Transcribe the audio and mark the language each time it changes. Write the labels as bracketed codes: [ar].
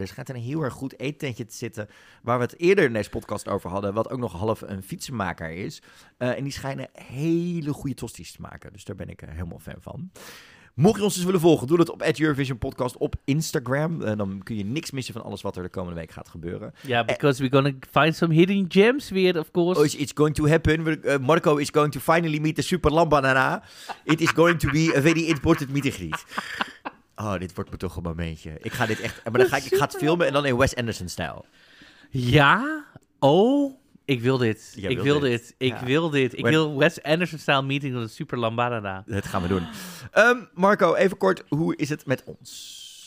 [nl] Er schijnt een heel erg goed eettentje te zitten waar we het eerder in deze podcast over hadden, wat ook nog half een fietsenmaker is. En die schijnen hele goede tosties te maken. Dus daar ben ik helemaal fan van. Mocht je ons dus willen volgen, doe dat op Eurovision Podcast op Instagram. Dan kun je niks missen van alles wat er de komende week gaat gebeuren. [en] Ja, yeah, because we're gonna find some hidden gems weer, of course. Oh, it's going to happen. Marco is going to finally meet the super lambanana. It is going to be a very important meet and greet. [nl] Oh, dit wordt me toch een momentje. Ik ga dit echt. Maar dan ga ik het filmen en dan in Wes Anderson-stijl. Ja? Oh, ik wil dit. Ik wil dit. Ik wil Wes Anderson-stijl meeting met een super lambada. Dat gaan we doen. Marco, even kort. Hoe is het met ons?